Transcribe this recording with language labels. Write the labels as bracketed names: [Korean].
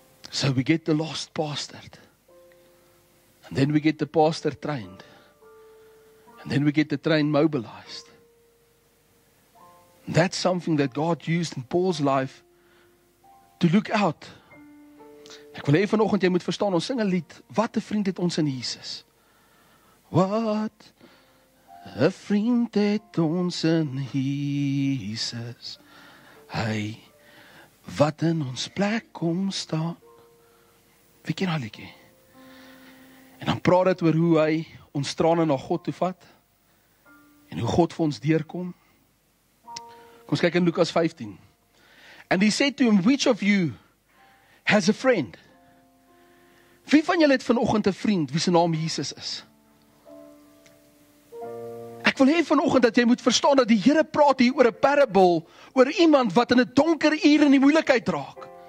[English] So we get the lost pastored. And then we get the pastor trained. And then we get the train mobilized. And that's something that God used in Paul's life to look out. [Afrikaans] Ek wil hê vanoggend jy moet verstaan, ons sing 'n lied, wat 'n vriend het ons in Jesus. Wat 'n vriend het ons in Jesus. Hy wat in ons plek kom staan. Wie ken al liedjie? En dan praat dit oor hoe hy ons trane na God toe vat en hoe God vir ons deurkom. Kom ons kyk in Lukas 15. [English] And he said to him, which of you has a friend? [Afrikaans] Wie van julle het vanoggend 'n vriend wie se naam Jesus is? Ek wil hê vanoggend dat jy moet verstaan dat die Here praat hier oor 'n parable, oor iemand wat in 'n donker uur in die moeilikheid raak.